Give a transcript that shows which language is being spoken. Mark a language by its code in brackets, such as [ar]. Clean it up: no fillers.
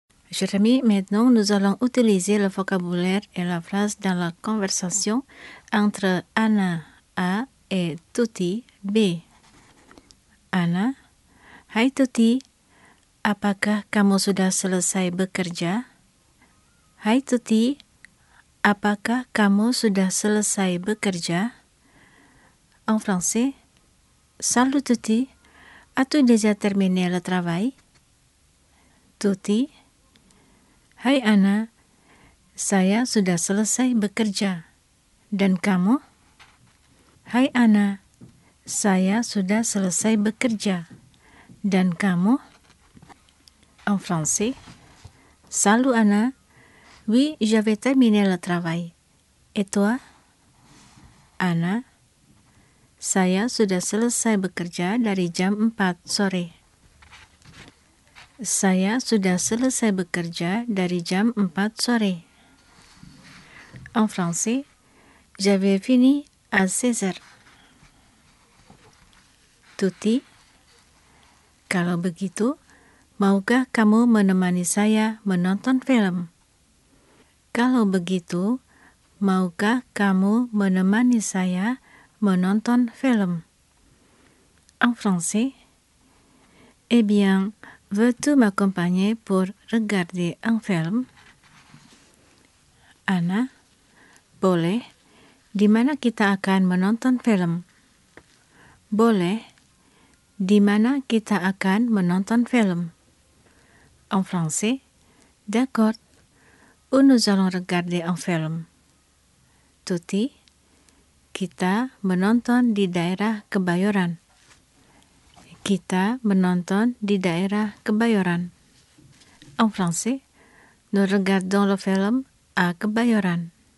[fr] Chers amis, maintenant nous allons utiliser le vocabulaire et la phrase dans la conversation entre Anna A et Tuti B. [id] Anna, hai Tuti, apakah kamu sudah selesai bekerja? Hai Tuti, apakah kamu sudah selesai bekerja? [fr] En français, salut Tuti, as-tu déjà terminé le travail? [id] Tuti, hai Anna, saya sudah selesai bekerja. Dan kamu? Hai Anna, saya sudah selesai bekerja. Dan kamu? [fr] En français, salut Anna. Oui, j'avais terminé le travail. Et toi? [id] Anna, saya sudah selesai bekerja dari jam 4 sore. Saya sudah selesai bekerja dari jam 4 sore. [fr] En français, j'avais fini à 16 heures. [id] Tuti, kalau begitu, maukah kamu menemani saya menonton film? Kalau begitu, maukah kamu menemani saya menonton film? [fr] En français, eh bien, veux-tu m'accompagner pour regarder un film? [id] Anna, boleh. Di mana kita akan menonton film? Boleh. Di mana kita akan menonton film? [fr] En français, d'accord. Où nous allons regarder un film? Tuti, [id] kita menonton di daerah Kebayoran. Kita menonton di daerah Kebayoran. [fr] En français, nous regardons le film à Kebayoran.